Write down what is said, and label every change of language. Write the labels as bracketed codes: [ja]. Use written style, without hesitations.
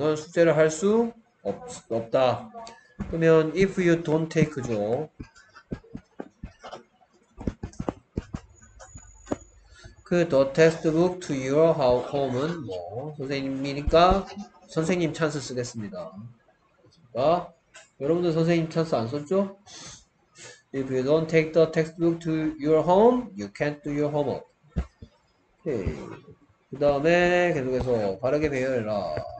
[ko] 너는 숙제를 할수 없다. 그러면 [en] if you don't take [ko] 죠. 그 the textbook to your home은 뭐 선생님이니까 선생님 찬스 쓰겠습니다. 아, 여러분들 선생님 찬스 안 썼죠? [en] If you don't take the textbook to your home, you can't do your homework. [ko] 그 다음에 계속해서 바르게 배열해라.